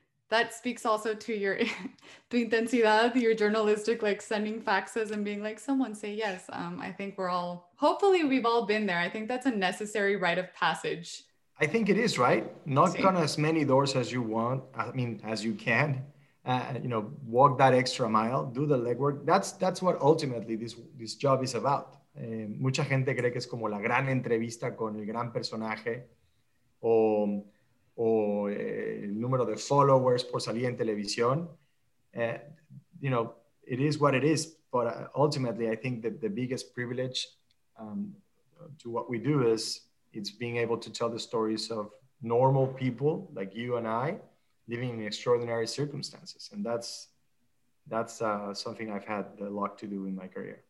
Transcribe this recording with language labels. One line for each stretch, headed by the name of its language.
English: That speaks also to your the
Spanish: intensidad,
English: your journalistic, like sending faxes and being like, someone say yes. I think we're all, hopefully we've all been there. I think that's a necessary rite of passage. I think it is, right? Knock on as many doors as you want. I mean, as you can, you know, walk that extra mile, do the legwork. That's what ultimately this job is about.
Spanish: Mucha gente cree que es como la gran entrevista con el gran personaje o el número de followers por salir en televisión.
English: You know, it is what it is. But ultimately, I think that the biggest privilege to what we do is it's being able to tell the stories of normal people like you and I living in extraordinary circumstances. And that's something I've had the luck to do in my career.